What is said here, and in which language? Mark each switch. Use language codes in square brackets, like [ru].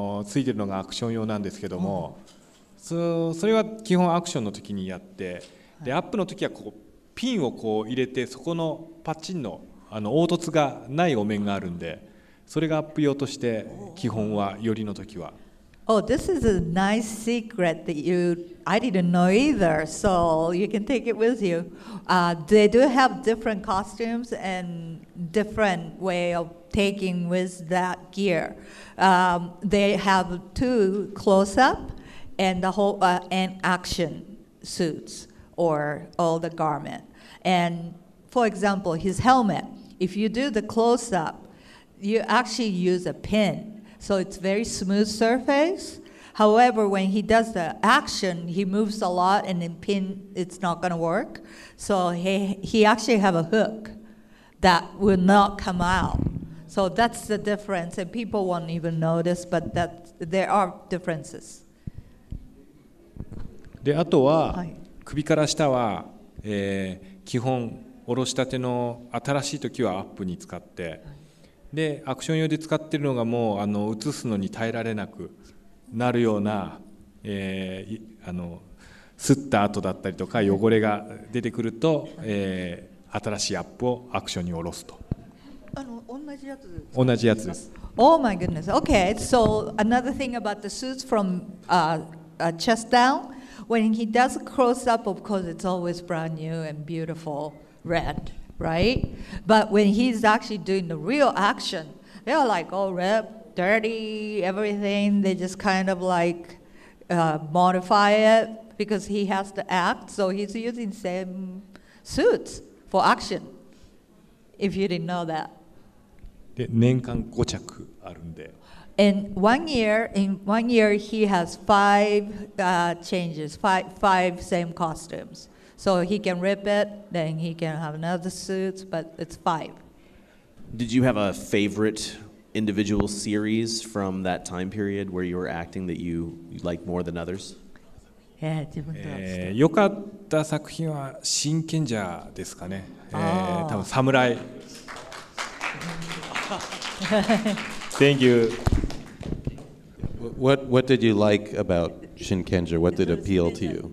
[ja] ついてるのがアクション用なんですけども、うん、それは基本アクションの時にやって、でアップの時はこうピンをこう入れてそこのパチンのあの凹凸がないお面があるんで、それがアップ用として基本は寄りの時は。 [en] Oh, this is a nice secret that you I didn't know either. So you can take it with you. They do have different costumes and different way of taking with that gear. They have two close up and the whole and action suits or all the garment. And for example, his helmet. If you do the close-up, you actually use a pin, so it's very smooth surface. However, when he does the action, he moves a lot, and then pin, it's not going to work. So he actually have a hook that will not come out. So that's the difference, and people won't even notice, but that, there are differences. [ja] で、あとは、首から下は、基本下ろしたての新しい時はアップに使って、でアクション用で使っているのがもうあの映すのに耐えられなくなるような、あの擦った跡だったりとか汚れが出てくると、新しいアップをアクションに下ろすと。あの同じやつです。同じやつです。 [en] Oh my goodness. Okay. So another thing about the suits from chest down, when he does a close up, of course, it's always brand new and beautiful. Red, right? But when he's actually doing the real action, they are like all red, dirty, everything. They just kind of like modify it because he has to act. So he's using same suits for action. If you didn't know that. [ja] で、年間5着あるんで。 [en] And in one year he has five changes, five same costumes. So he can rip it, then he can have another suit, but it's five. Did you have a favorite individual series from that time period where you were acting that you like more than others? [ja] Yeah, 自分と良かった作品は真剣者ですかね。多分サムライ。 [en] Thank you. What did you like about Shinkenja? What did appeal to you?